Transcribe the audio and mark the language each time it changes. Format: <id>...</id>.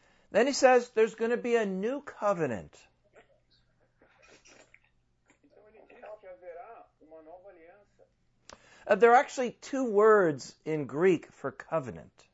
<en>Then he says there's going to be a new covenant.</en> <pt>Então ele diz que haverá uma nova aliança.</pt> <en>There are actually two words in Greek for covenant.</en>